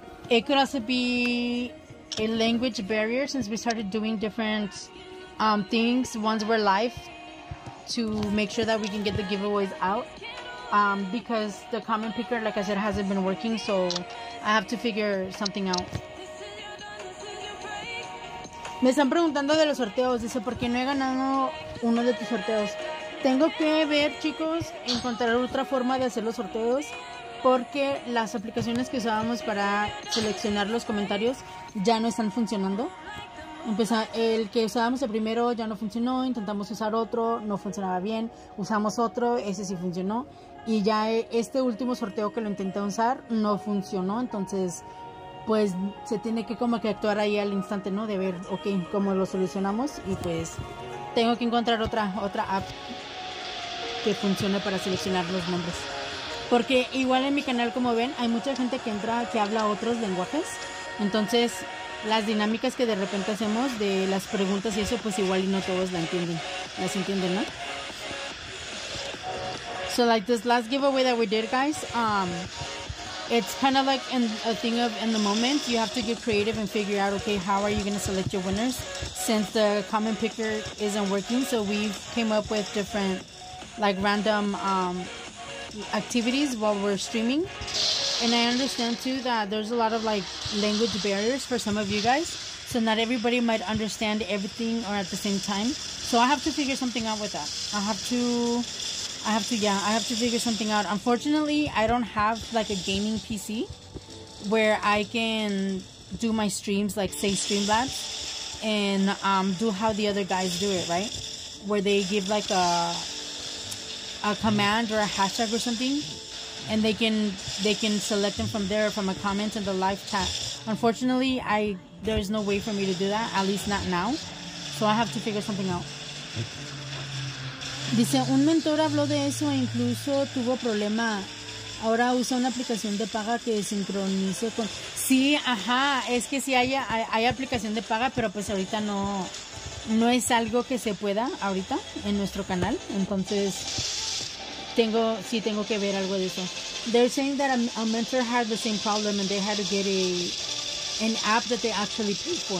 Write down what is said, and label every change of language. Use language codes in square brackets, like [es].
[en] It could also be a language barrier, since we started doing different things once we're live, to make sure that we can get the giveaways out. Because the comment picker, like I said, hasn't been working, so I have to figure something out. [es] Me están preguntando de los sorteos. Dice, ¿por qué no he ganado uno de tus sorteos? Tengo que ver, chicos, encontrar otra forma de hacer los sorteos, porque las aplicaciones que usábamos para seleccionar los comentarios ya no están funcionando. El que usábamos el primero ya no funcionó. Intentamos usar otro, no funcionaba bien. Usamos otro, ese sí funcionó. Y ya este último sorteo que lo intenté usar no funcionó. Entonces, pues se tiene que como que actuar ahí al instante, ¿no? De ver, ok, cómo lo solucionamos. Y pues tengo que encontrar otra app que funcione para seleccionar los nombres. Porque igual en mi canal, como ven, hay mucha gente que entra, que habla otros lenguajes. Entonces, las dinámicas que de repente hacemos de las preguntas y eso, pues igual y no todos las entienden, ¿no? [en] So, like, this last giveaway that we did, guys, it's kind of like a thing of in the moment. You have to get creative and figure out, okay, how are you going to select your winners? Since the comment picker isn't working, so we came up with different, like, random activities while we're streaming. And I understand, too, that there's a lot of, like, language barriers for some of you guys. So not everybody might understand everything or at the same time. So I have to figure something out with that. I have to figure something out. Unfortunately, I don't have, like, a gaming PC where I can do my streams, like, say, Streamlabs, and do how the other guys do it, right? Where they give, like, a command or a hashtag or something, and they can select them from there, from a comment in the live chat. Unfortunately, there's no way for me to do that, at least not now. So I have to figure something out. [es] Dice, un mentor habló de eso e incluso tuvo problema. Ahora usa una aplicación de paga que sincronice con... Sí, ajá, es que sí hay aplicación de paga, pero pues ahorita no es algo que se pueda ahorita en nuestro canal. Entonces, tengo que ver algo de eso. [en] They're saying that a mentor had the same problem and they had to get an app that they actually paid for.